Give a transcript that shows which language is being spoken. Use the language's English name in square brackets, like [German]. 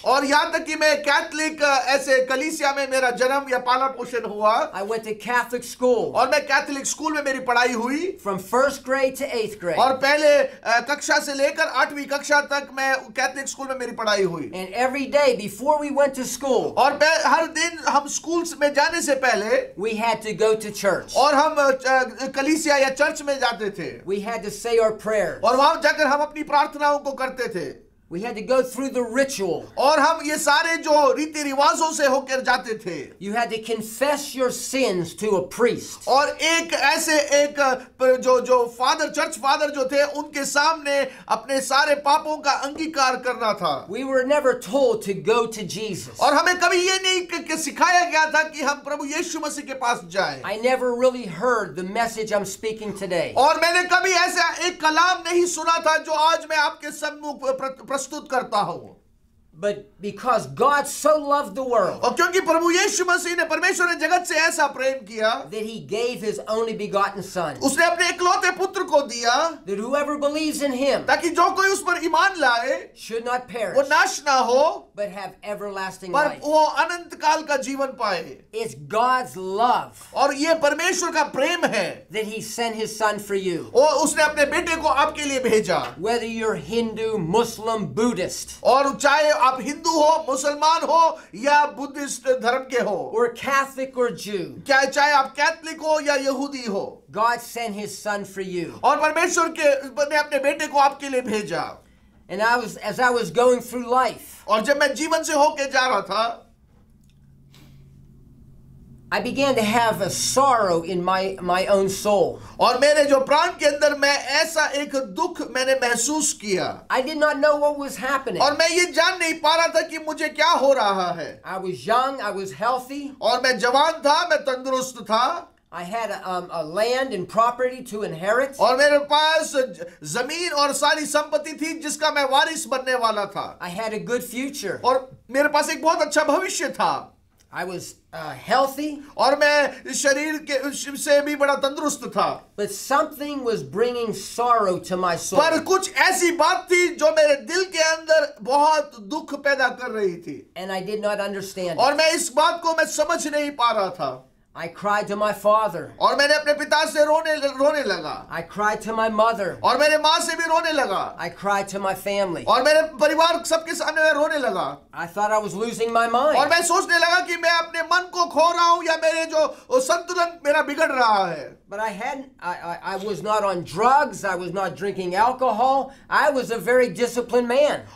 [Hindi] और यहाँ तक कि मैं कैथलिक ऐसे कलीसिया में मेरा जन्म या पाला पोषण हुआ, [English] I went to Catholic school, [Hindi] और मैं कैथलिक स्कूल में मेरी पढ़ाई हुई, [English] from first grade to eighth grade, [Hindi] और पहले कक्षा से लेकर आठवीं कक्षा तक मैं कैथलिक स्कूल में मेरी पढ़ाई हुई, [English] and every day before we went to school, [Hindi] और हर दिन हम स्कूल्स में जाने से पहले, [English] we had to go to church, [Hindi] और हम कलीसिया या चर्च में जाते थे, [English] we had to say our prayers, [Hindi] और वहां जाकर हम अपनी प्रार्थना को करते थे. [English] We had to go through the ritual. [Hindi] और हम ये सारे जो रीति रिवाजों से होकर जाते थे. [English] You had to confess your sins to a priest. [Hindi] और एक ऐसे एक जो जो फादर चर्च फादर जो थे उनके सामने अपने सारे पापों का अंगीकार करना था. [English] We were never told to go to Jesus. [Hindi] और हमें कभी ये नहीं सिखाया गया था कि हम प्रभु यीशु मसीह के पास जाएं. [English] I never really heard the message I'm speaking today. [Hindi] और मैंने कभी ऐसा एक कलाम नहीं सुना था जो आज मैं आपके सम्मुख प्रस्तुत करता हूं. [English] But because God so loved the world, [Hindi] और क्योंकि प्रभु यीशु मसीह ने परमेश्वर ने जगत से ऐसा प्रेम किया, [English] that He gave His only begotten Son, [Hindi] उसने अपने इकलौते पुत्र को दिया, [English] that whoever believes in Him, [Hindi] ताकि जो कोई उस पर ईमान लाए, [English] should not perish, [Hindi] वो नाश ना हो, [English] but have everlasting [Hindi] पर [English] life, [Hindi] पर वो अनंत काल का जीवन पाए. [English] It's God's love, [Hindi] और ये परमेश्वर का प्रेम है, [English] that He sent His Son for you, [Hindi] और उसने अपने बेटे को आपके लिए भेजा, [English] whether you're Hindu, Muslim, Buddhist, [Hindi] और चाहे आप हिंदू हो, मुसलमान हो या बुद्धिस्ट धर्म के हो, [English] or Catholic or Jew, [Hindi] क्या चाहे आप कैथलिक हो या यहूदी हो, [English] God sent His Son for you, [Hindi] और परमेश्वर के ने अपने बेटे को आपके लिए भेजा. [English] And as I was going through life, [Hindi] और जब मैं जीवन से होके जा रहा था, [English] I began to have a sorrow in my own soul. [Hindi] और मेरे जो प्राण के अंदर मैं ऐसा एक दुख मैंने महसूस किया. [English] I did not know what was happening. [Hindi] और मैं ये जान नहीं पा रहा था कि मुझे क्या हो रहा है. [English] I was young, I was healthy. [Hindi] और मैं जवान था, मैं तंदुरुस्त था. [English] I had a land and property to inherit. [Hindi] और मेरे पास जमीन और सारी संपत्ति थी जिसका मैं वारिस बनने वाला था. [English] I had a good future. [Hindi] और मेरे पास एक बहुत अच्छा भविष्य था. [English] I was healthy, [Hindi] और मैं शरीर के से भी बड़ा तंदुरुस्त था. [English] But something was bringing sorrow to my soul. [Hindi] पर कुछ ऐसी बात थी जो मेरे दिल के अंदर बहुत दुख पैदा कर रही थी. [English] And I did not understand. [Hindi] और मैं इस बात को मैं समझ नहीं पा रहा था. [English] I cried to my father. [Hindi] और मैंने अपने पिता से रोने लगा. [English] I cried to my mother. [Hindi] और मेरे माँ से भी रोने लगा. [English] I cried to my family. [Hindi] और मेरे परिवार सबके सामने मैं रोने लगा. [English] I thought I was losing my mind. [Hindi] और मैं सोचने लगा कि मैं अपने मन को खो रहा हूँ या मेरे जो संतुलन मेरा बिगड़ रहा है. [English] But I was not on drugs. I was not drinking alcohol. I was a very disciplined man.